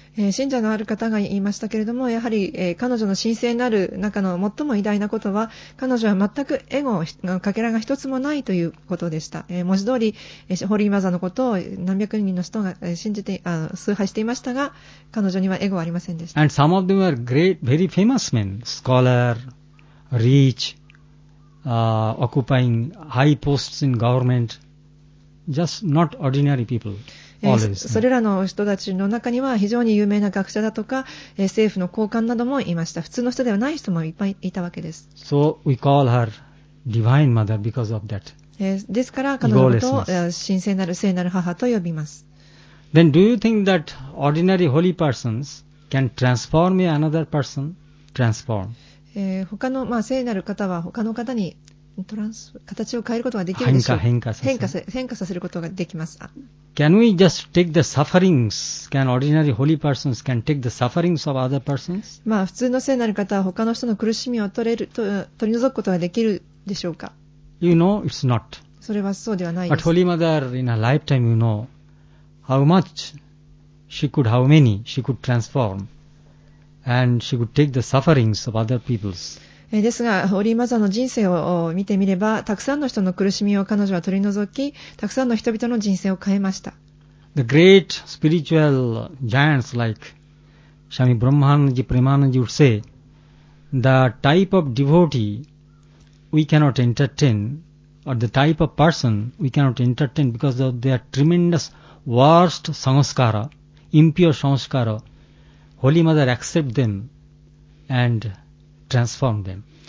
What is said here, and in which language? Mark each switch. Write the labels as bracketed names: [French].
[Japanese] 信者のある方が言いましたけれども、やはり、彼女の神聖なる中の最も偉大なことは、彼女は全くエゴのかけらが一つもないということでした。文字通り、ホーリーマザーのことを何百人の人が信じて、崇拝していましたが、彼女にはエゴはありませんでした。 [English] And some of them were great, very famous men, scholar, rich, occupying high posts in government, just not ordinary people. [Japanese] それらの人たちの中には非常に有名な学者だとか政府の高官などもいました。普通の人ではない人もいっぱいいたわけです。 [English] So we call her Divine Mother because of that. [Japanese] ですから彼女のことを神聖なる聖なる母と呼びます。 [English] Then do you think that ordinary holy persons can transform another person? Transform. [Japanese] 他の、まあ、聖なる方は他の方に形を変えることができるでしょう。変化させることができます。 [English] Can we just take the sufferings? Can ordinary holy persons can take the sufferings of other persons? [Japanese] まあ普通の聖なる方は他の人の苦しみを取り除くことができるでしょうか。 [English] You know, it's not. [Japanese] それはそうではないです。 [English] But Holy Mother in her lifetime, you know, how many she could transform, and she could take the sufferings of other people's. [Japanese] ですが、ホーリーマザーの人生を見てみれば、たくさんの人の苦しみを彼女は取り除き、たくさんの人々の人生を変えました。 [English] The great spiritual giants like Swami Brahmananji Premananji would say, the type of devotee we cannot entertain, or the type of person we cannot entertain because of their tremendous worst samskara, impure samskara, Holy Mother accept them and transform them.